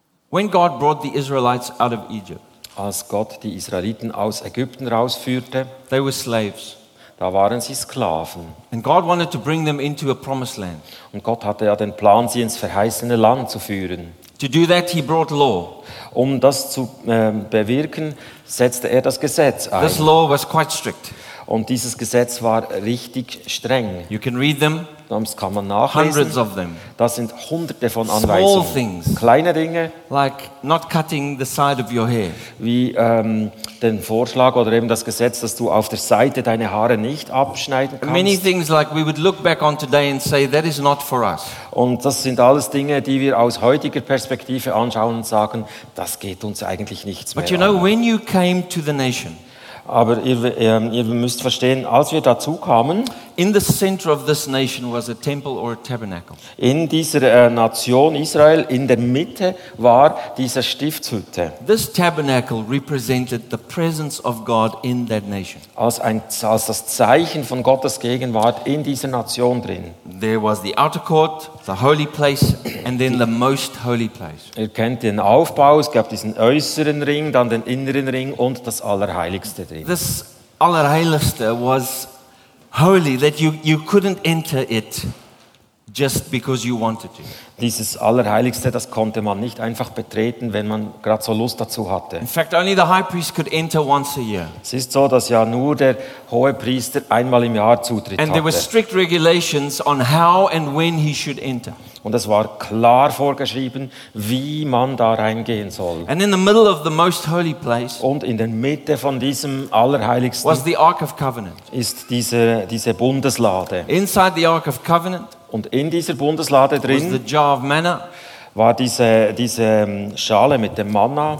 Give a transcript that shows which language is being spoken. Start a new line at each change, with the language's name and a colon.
English: When God brought the Israelites out of Egypt.
German: Als Gott die Israeliten aus Ägypten rausführte.
English: They were slaves.
German: Da waren sie Sklaven.
English: And God wanted to bring them into a promised land.
German: Und Gott hatte ja den Plan, sie ins verheißene Land zu führen.
English: To do that, he brought law.
German: Um das zu bewirken, setzte er das Gesetz ein.
English: This law was quite strict.
German: Und dieses Gesetz war richtig streng.
English: You can read them.
German: Das kann man nachlesen.
English: Hundreds of them.
German: Das sind hunderte von Anweisungen.
English: Small things.
German: Kleine Dinge.
English: Like not cutting the side of your hair.
German: Wie den Vorschlag oder eben das Gesetz, dass du auf der Seite deine Haare nicht abschneiden kannst.
English: Many things like we would look back on today and say that is not for us.
German: Und das sind alles Dinge, die wir aus heutiger Perspektive anschauen und sagen, das geht uns eigentlich nichts mehr
English: an. But you know, when you came to the nation,
German: aber ihr müsst verstehen, als wir dazu kamen,
English: in the center of this nation was a temple or a tabernacle.
German: In dieser Nation Israel, in der Mitte war diese Stiftshütte.
English: This tabernacle represented the presence of God in that nation.
German: Als das Zeichen von Gottes Gegenwart in dieser Nation drin.
English: There was the outer court, the holy place, and then the most holy place.
German: Ihr kennt den Aufbau, es gab diesen äußeren Ring, dann den inneren Ring und das Allerheiligste drin.
English: This Allerheiligste was holy, that you couldn't enter it just because you wanted to.
German: Dieses Allerheiligste, das konnte man nicht einfach betreten, wenn man gerade so Lust dazu hatte.
English: In fact, only the high priest could enter once a year.
German: Es ist so, dass ja nur der hohe Priester einmal im Jahr Zutritt hatte.
English: And there were strict regulations on how and when he should enter.
German: Und es war klar vorgeschrieben, wie man da reingehen soll.
English: And in the middle of the most holy place,
German: und in der Mitte von diesem Allerheiligsten,
English: was the Ark of Covenant,
German: ist diese Bundeslade.
English: Inside the Ark of Covenant,
German: und in dieser Bundeslade drin,
English: was the jar of manna,
German: war diese Schale mit dem Manna,